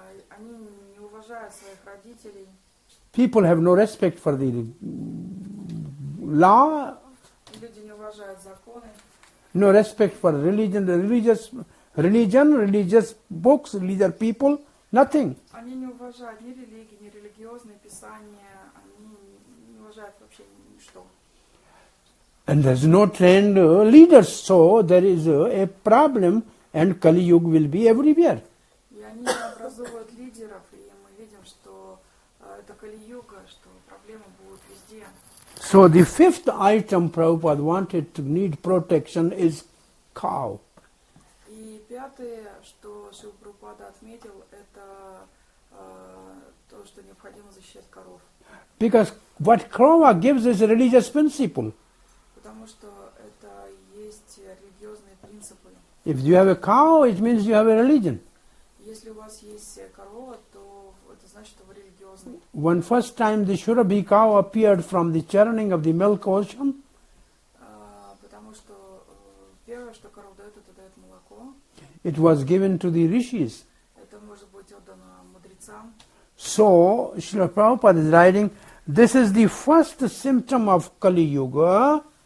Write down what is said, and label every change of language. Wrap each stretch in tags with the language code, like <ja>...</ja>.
<ru>Они не уважают своих родителей.</ru> <en>People have no respect for the law.</en> <ru>Люди не уважают законы.</ru> <en>No respect for religion, religious books, religious people, nothing.</en> <ru>Они не уважают ни религии, ни религиозные писания. Они не уважают вообще ничто.</ru> <en>And there's no trained leaders, so there is a problem, and Kali Yuga will be everywhere.</en> <ru>И они образуют лидеров, и мы видим, что это Kali Yuga, что проблемы будут везде.</ru> <en>So the fifth item Prabhupada wanted to need protection is cow.</en> <ru>И пятое, что Шрила Прабхупада отметил, это то, что необходимо защищать коров.</ru> <en>Because what krova gives is a religious principle.</en> <ru>Потому что это есть религиозные принципы.</ru> <en>If you have a cow, it means you have a religion.</en> <ru>Если у вас есть корова, то это значит, что вы религиозный.</ru> <en>When first time the Shurabhi cow appeared from the churning of the milk ocean.</en> <ru>Потому что первое, что корова дает, это дает молоко.</ru> <en>It was given to the rishis.</en> <ru>Это может быть отдано мудрецам.</ru> <en>So, Srila Prabhupada is writing, this is the first symptom of Kali Yuga.</en>